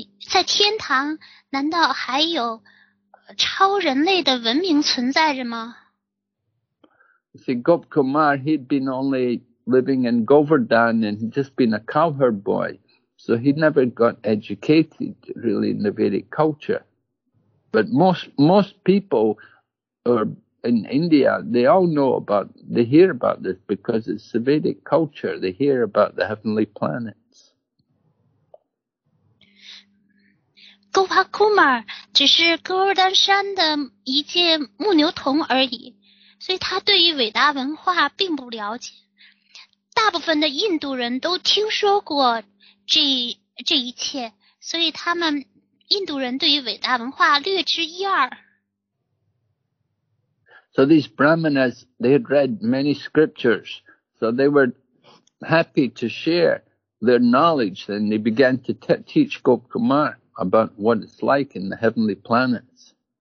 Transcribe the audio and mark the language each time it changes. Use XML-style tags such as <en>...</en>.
<zh>在天堂难道还有超人类的文明存在着吗？</zh> <en>See, Gopal Kumar, he'd been only living in Govardhan and just been a cowherd boy, so he never got educated really in the Vedic culture. But most people are in India, they all know about, they hear about this because it's the Vedic culture, they hear about the heavenly planet.</en> <zh>Gopal Kumar 只是戈尔丹山的一介牧牛童而已，所以他对于伟大文化并不了解。大部分的印度人都听说过这一切，所以他们印度人对于伟大文化略知一二。</zh> <en>So these Brahmanas, they had read many scriptures, so they were happy to share their knowledge, and they began to teach Gopal Kumar. About what it's like in the heavenly planets.</en>